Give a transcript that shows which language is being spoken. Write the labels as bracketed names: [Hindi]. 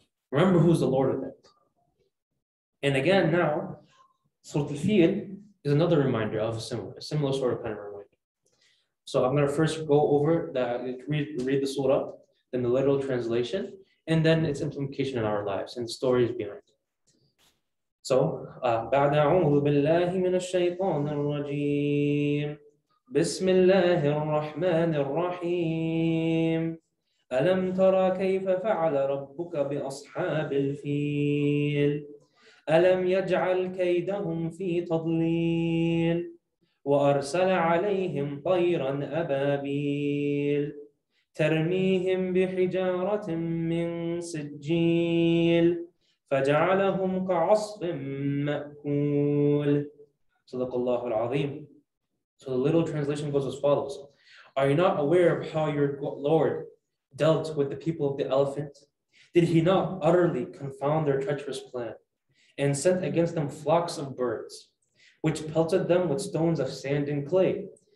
[English] Remember who's the Lord of that. And again, now, Surah Al-Fil is another reminder of a similar sort of kind of reminder. So I'm going to first go over read the surah, then the literal translation, and then its implication in our lives and stories behind it. [Arabic] So, بعد أعوذ بالله من الشيطان الرجيم بسم الله الرحمن الرحيم ألم ترى كيف فعل ربك بأصحاب الفيل ألم يجعل كيدهم في تضليل وأرسل عليهم طيرا أبابيل ترميهم بحجارة من سجيل فجعلهم كعصف مأكول. صدق الله العظيم. [English] So the little translation goes as follows. Are you not aware of how your Lord dealt with the people of the elephant? Did he not utterly confound their treacherous plan and sent against them flocks of birds, which pelted them with stones of sand and clay?